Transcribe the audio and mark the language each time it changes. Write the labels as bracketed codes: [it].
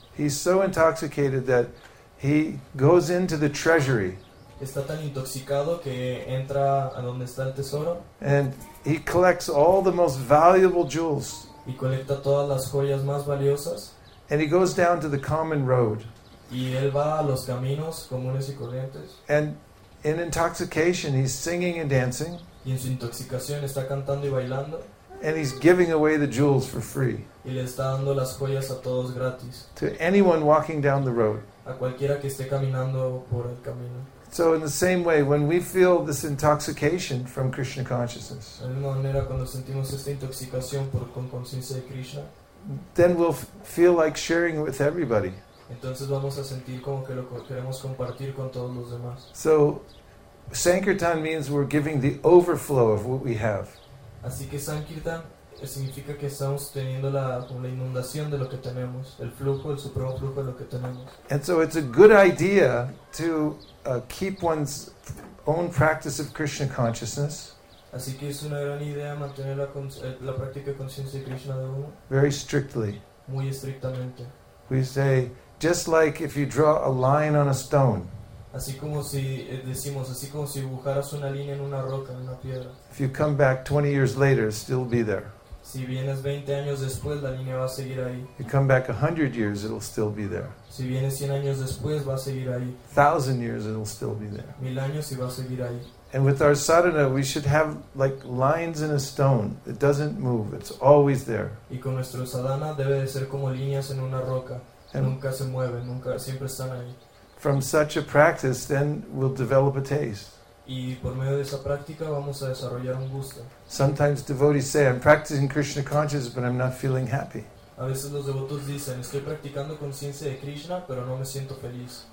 [en] He's so intoxicated that he goes into the treasury. [es] Está tan intoxicado que entra a donde está el tesoro. [en] And he collects all the most valuable jewels. [es] Y colecta todas las joyas más valiosas. [en] And he goes down to the common road. [es] Y él va a los caminos comunes y corrientes. [en] And in intoxication, he's singing and dancing. [es] Y en su intoxicación está cantando y bailando. [en] And he's giving away the jewels for free. [es] Y le está dando las joyas a todos gratis. [en] To anyone walking down the road. [es] A cualquiera que esté caminando por el camino. [en] So in the same way, when we feel this intoxication from Krishna consciousness, [es] de la misma manera, cuando sentimos esta intoxicación con conciencia de Krishna, [en] then we'll feel like sharing with everybody. [es] Entonces vamos a sentir como que lo queremos compartir con todos los demás. [en] So Sankirtan means we're giving the overflow of what we have. [es] Así que Sankirtan significa que estamos teniendo la inundación de lo que tenemos, el flujo, el supremo flujo de lo que tenemos. [en] And so it's a good idea to keep one's own practice of Krishna consciousness. [es] Así que es una gran idea mantener la práctica de conciencia de Krishna de uno. [en] Very strictly. [es] Muy estrictamente. [en] We say, just like if you draw a line on a stone. [es] Así como si decimos, así como si dibujaras una línea en una roca, en una piedra. [en] If you come back 20 years later, it'll still be there. [es] Si vienes 20 años después, la línea va a seguir ahí. [en] You come back 100 years, it'll still be there. [es] Si vienes 100 años después, va a seguir ahí. [en] 1,000 years, it'll still be there. [es] 1,000 años y va a seguir ahí. [en] And with our sadhana, we should have like lines in a stone. It doesn't move. It's always there. [es] Y con nuestro sadhana debe de ser como líneas en una roca. [en] And [es] nunca se mueve, nunca, siempre están ahí. [en] From such a practice, then we'll develop a taste. [es] Y por medio de esa práctica vamos a desarrollar un gusto. [en] Sometimes devotees say, "I'm practicing Krishna consciousness, but I'm not feeling happy." [es] A veces los devotos dicen, "Estoy practicando conciencia de Krishna, pero no me siento feliz."